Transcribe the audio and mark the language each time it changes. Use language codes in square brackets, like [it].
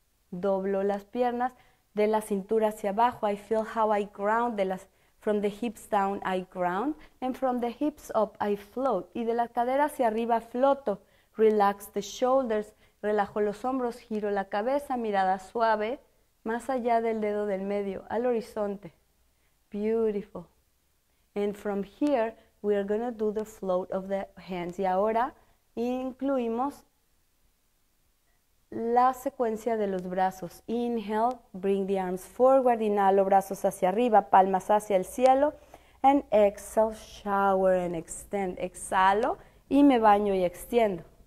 [es] Doblo las piernas de la cintura hacia abajo. [en] I feel how I ground from the hips down I ground and from the hips up I float. [es] Y de la cadera hacia arriba floto. [en] Relax the shoulders. [es] Relajo los hombros, giro la cabeza, mirada suave, más allá del dedo del medio, al horizonte. [en] Beautiful. And from here, we are going to do the float of the hands. [es] Y ahora incluimos la secuencia de los brazos. [en] Inhale, bring the arms forward. [es] Inhalo, brazos hacia arriba, palmas hacia el cielo. [en] And exhale, shower and extend. [es] Exhalo y me baño y extiendo.